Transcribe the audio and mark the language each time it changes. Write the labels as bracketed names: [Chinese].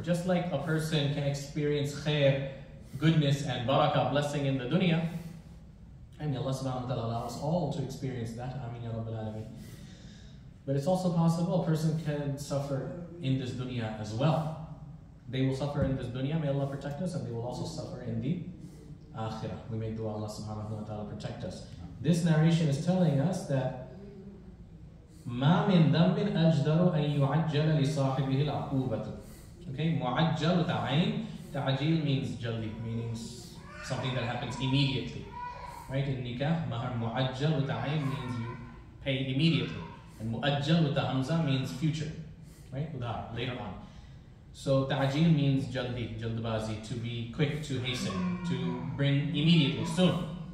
[English] Just like a person can experience khair, goodness and barakah, blessing in the dunya, and may Allah subhanahu wa ta'ala allow us all to experience that. Ameen ya Rabbil Alameen. But it's also possible a person can suffer in this dunya as well. They will suffer in this dunya, may Allah protect us, and they will also suffer in the akhirah. We may dua Allah subhanahu wa ta'ala protect us. This narration is telling us that [Arabic] مَا مِنْ ذَنْبٍ أَجْدَرُ أَنْ يُعَجَّلَ لِصَاحِبِهِ الْعَقُوبَةُ. Okay, مُعَجَّلُ تَعَيْن. [English] تَعَجِيل means jalli, meaning something that happens immediately. Right, in nikah, mahar مُعَجَّلُ تَعَيْن means you pay immediately. And مُؤَجَّلُ تَهَمْزَ means future. Right, udhar, later on. So تَعَجِيل means jalli, jaldbazi, to be quick, to hasten, to bring immediately, soon.